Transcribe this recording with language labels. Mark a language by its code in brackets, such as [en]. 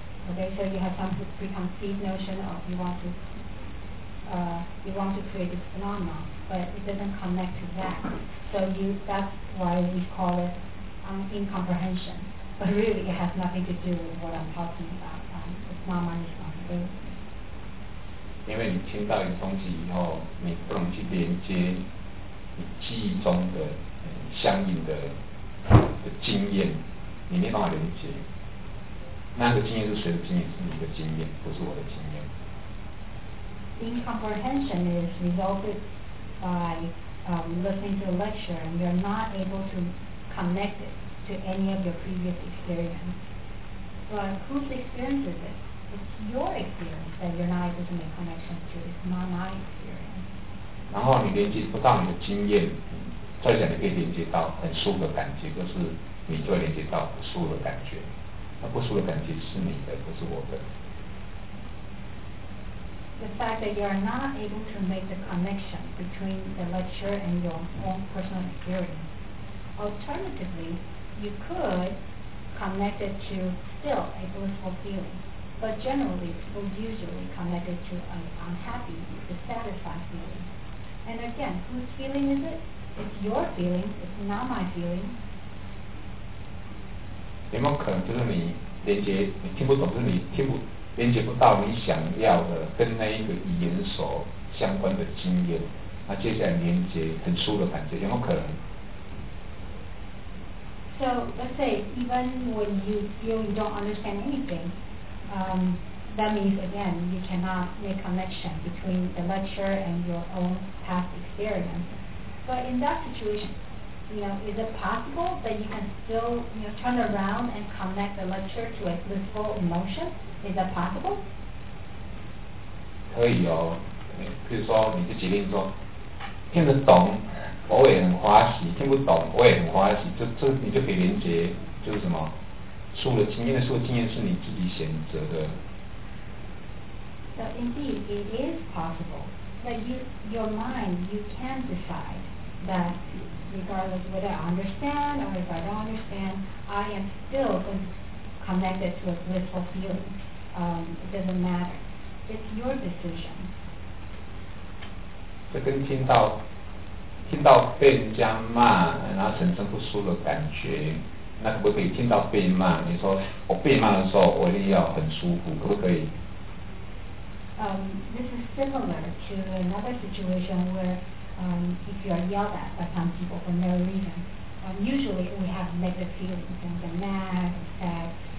[en] Okay, so you have some preconceived notion of you want to create this phenomenon, but it doesn't connect to that. That's why we call it incomprehension. But really, it has nothing to do with what I'm talking about. It's not my responsibility. [zh] 因为你听到一个东西以后，你不能去连接你记忆中的。相应 的经验，你没办法连接。那个经验是谁的经验？是你的经验，不是我的经验。 [en] Incomprehension is resulted by listening to a lecture, and you're not able to connect it to any of your previous experience. But whose experience is it? It's your experience that you're not able to make connection to. It's not my experience. [zh] 然后你连接不到你的经验。再讲，你可以连接到很舒服的感觉，就是你就会连接到不舒服的感觉。那不舒服的感觉是你的，不是我的。 [en] The fact that you are not able to make the connection between the lecture and your own personal experience. Alternatively, you could connect it to still a blissful feeling, but generally, people usually connect it to an unhappy, dissatisfied feeling. And again, whose feeling is it? It's your feeling, it's not my feeling. [zh] 有没有可能就是你连接你听不懂，就是你听不连接不到你想要的跟那一个语言所相关的经验，那接下来连接很舒服的感觉，有没有可能？ [en] So let's say even when you feel you don't understand anything, that means again you cannot make connection between the lecture and your own past experience. But in that situation, is it possible that you can still, turn around and connect the lecture to a blissful emotion? Is that possible? [zh] 可以哦，比如说你就决定说，听得懂，我也很欢喜；听不懂，我也很欢喜。就你就可以连接，就是什么，输了经验的输了经验是你自己选择的。 [en] So indeed, it is possible that your mind, you can decide. That regardless of whether I understand or if I don't understand, I am still connected to a blissful feeling. It doesn't matter. It's your decision. [zh] 这跟听到被人家骂，然后产生不舒服的感觉，那可不可以听到被骂？你说我被骂的时候，我一定要很舒服，可不可以？ [en] This is similar to another situation where. If you are yelled at by some people for no reason, usually we have negative feelings and they're mad and sad.